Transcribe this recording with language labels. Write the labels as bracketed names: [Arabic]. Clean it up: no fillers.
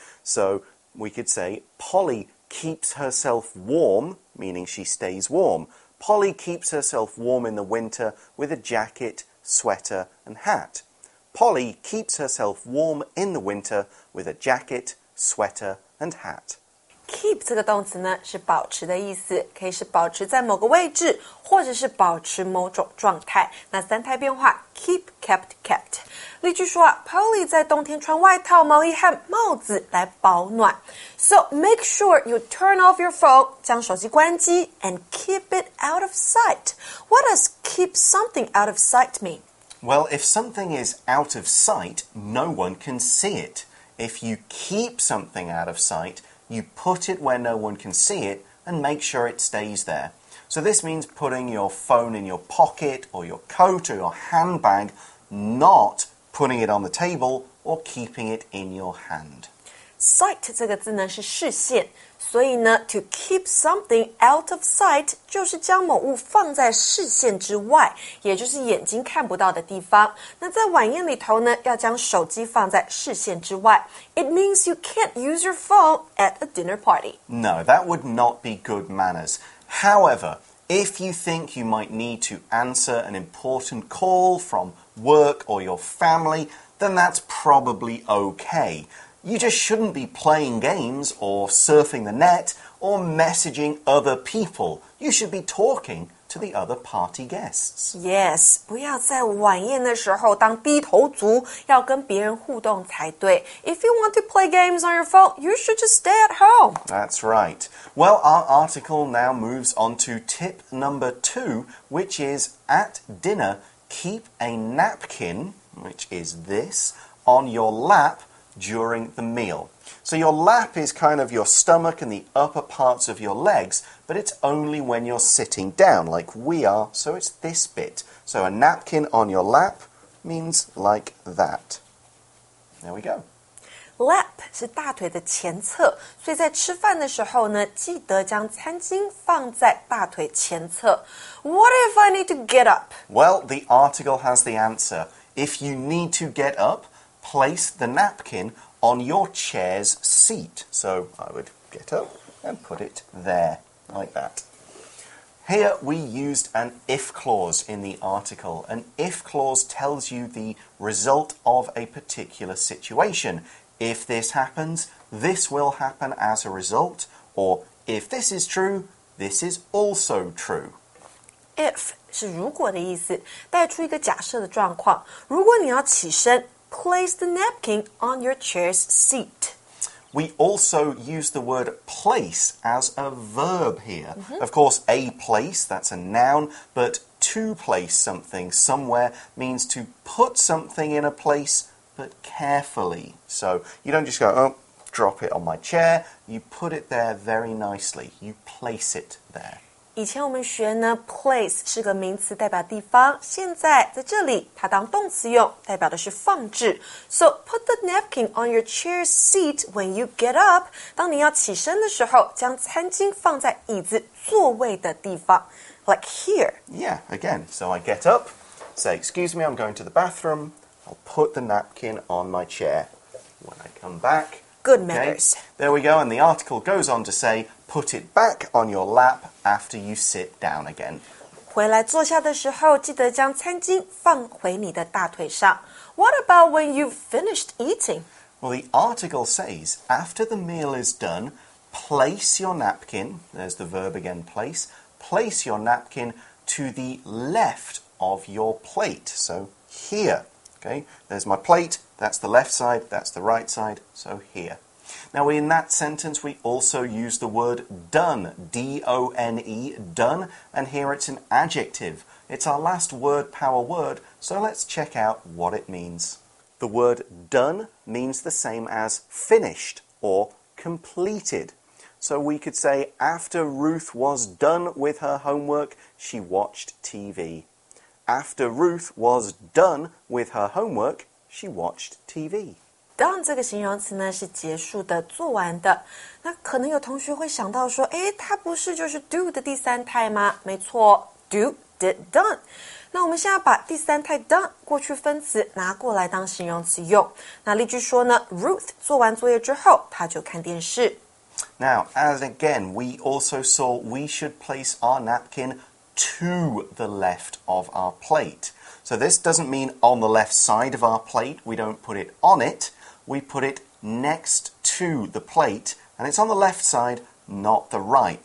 [English] So we could say Polly keeps herself warm,meaning she stays warm. Polly keeps herself warm in the winter with a jacket, sweater, and hat. Polly keeps herself warm in the winter with a jacket, sweater, and hat. [Chinese] Keep 这个动词呢是保持的意思，可以是保持在某个位置，或者是保持某种状态。那三态变化 ， [English] keep, kept, kept。 [Chinese] 例句说啊 ，Polly 在冬天穿外套、毛衣和帽子来保暖。 [English] So make sure you turn off your phone, [Chinese] 将手机关机 [English] ，and keep it out of sight. What does keep something out of sight mean? Well, if something is out of sight, no one can see it. If you keep something out of sight, you put it where no one can see it and make sure it stays there. So this means putting your phone in your pocket or your coat or your handbag, not putting it on the table or keeping it in your hand. [Chinese] Sight 这个字呢是视线，所以呢 [English] to keep something out of sight [Chinese] 就是将某物放在视线之外，也就是眼睛看不到的地方。那在晚宴里头呢，要将手机放在视线之外。 [English] It means you can't use your phone at a dinner party. No, that would not be good manners. However, if you think you might need to answer an important call from work or your family, then that's probably okay. You just shouldn't be playing games or surfing the net or messaging other people. You should be talking to the other party guests. [Chinese] Yes, 不要在晚宴的时候当低头族，要跟别人互动才对。 [English] If you want to play games on your phone, you should just stay at home. That's right. Well, our article now moves on to tip number 2, which is at dinner, keep a napkin, which is this, on your lap,during the meal. So your lap is kind of your stomach and the upper parts of your legs, but it's only when you're sitting down, like we are, so it's this bit. So a napkin on your lap means like that. There we go. [Chinese] Lap 是大腿的前侧，所以在吃饭的时候呢，记得将餐巾放在大腿前侧。 [English] What if I need to get up? Well, the article has the answer. If you need to get up,Place the napkin on your chair's seat. So I would get up and put it there, like that. Here we used an if clause in the article. An if clause tells you the result of a particular situation. If this happens, this will happen as a result. Or if this is true, this is also true. [Chinese] If 是如果的意思，带出一个假设的状况。如果你要起身 [English] Place the napkin on your chair's seat. We also use the word place as a verb here. Mm-hmm. Of course, a place, that's a noun, but to place something somewhere means to put something in a place, but carefully. So you don't just go, oh, drop it on my chair. You put it there very nicely. You place it there. [Chinese] 以前我们学呢 ，place 是个名词，代表地方。现在在这里，它当动词用，代表的是放置。 [English] So put the napkin on your chair seat when you get up. [Chinese] 当你要起身的时候，将餐巾放在椅子座位的地方 ， [English] like here. Yeah, again. So I get up, say, "Excuse me, I'm going to the bathroom. I'll put the napkin on my chair when I come back." Good manners. Okay, there we go. And the article goes on to say. Put it back on your lap after you sit down again. [Chinese] 回来坐下的时候，记得将餐巾放回你的大腿上。 [English] What about when you've finished eating? Well, the article says, after the meal is done, place your napkin, there's the verb again, place, place your napkin to the left of your plate. So here, okay, there's my plate, that's the left side, that's the right side, so here. Now, in that sentence, we also use the word done, D-O-N-E, done, and here it's an adjective. It's our last word power word, so let's check out what it means. The word done means the same as finished or completed. So we could say, after Ruth was done with her homework, she watched TV. After Ruth was done with her homework, she watched TV. [Chinese] Done 这个形容词呢是结束的、做完的。那可能有同学会想到说，哎，它不是就是 do 的第三态吗？没错 ， [English] do did done。 [Chinese] 那我们现在把第三态 done 过去分词拿过来当形容词用。那例句说呢 ，Ruth 做完作业之后，她就看电视。 [English] Now, as again, we also saw we should place our napkin to the left of our plate. So this doesn't mean on the left side of our plate. We don't put it on it. We put it next to the plate, and it's on the left side, not the right.